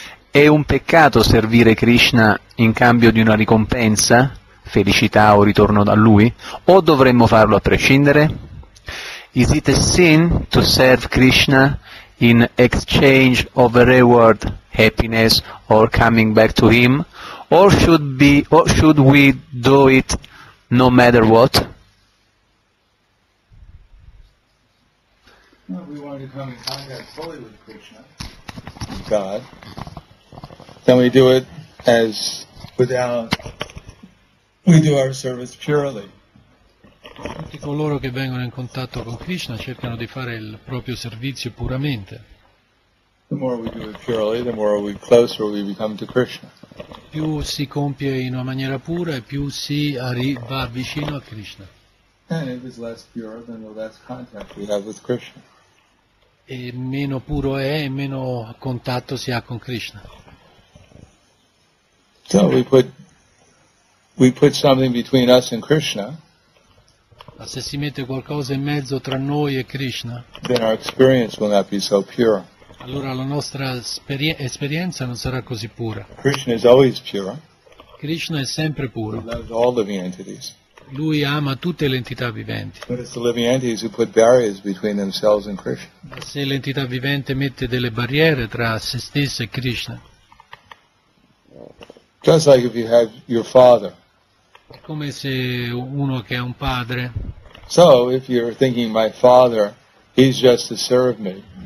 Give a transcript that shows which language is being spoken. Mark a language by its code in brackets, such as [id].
[it] È un peccato servire Krishna in cambio di una ricompensa? Felicità o ritorno da lui? O dovremmo farlo a prescindere? [en] Is it a sin to serve Krishna in exchange of a reward, happiness or coming back to him? Or should we do it no matter what? Well, we want to come in contact fully with Krishna, God. Then we do it as without. We do our service purely. [it] Tutti coloro che vengono in contatto con Krishna cercano di fare il proprio servizio puramente. [en] The more we do it purely, the more we closer we become to Krishna. [it] Più si compie in una maniera pura e più si arriva vicino a Krishna. [en] And if it's less pure, then the less contact we have with Krishna. [it] E meno puro è, e meno contatto si ha con Krishna. [en] So we put something between us and Krishna. [it] Ma se si mette qualcosa in mezzo tra noi e Krishna, [en] then our experience will not be so pure. [it] Allora la nostra esperienza non sarà così pura. [en] Krishna is always pure. [it] Krishna è sempre puro. [en] He loves all living entities. [it] Lui ama tutte le entità viventi. [en] But it's the living entities who put barriers between themselves and Krishna. [it] Ma se l'entità vivente mette delle barriere tra se stessa e Krishna. [en] Just like if you have your father. [it] Come se uno che ha un padre. [en] So if you're thinking my father, he's just to serve me.